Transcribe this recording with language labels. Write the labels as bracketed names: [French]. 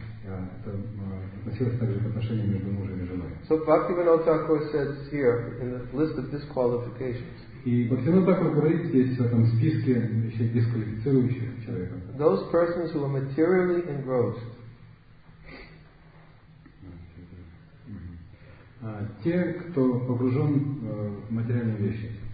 [Russian] Это относилось также к отношениям между мужем и женой. [English] So Bhaktivinoda Thakur says here in the list of disqualifications. [Russian] И Бхактивинода Такур говорит здесь в этом списке вещей, дисквалифицирующих человека. [English] Those persons who are materially engrossed. [Russian] Те, кто погружен в материальные вещи.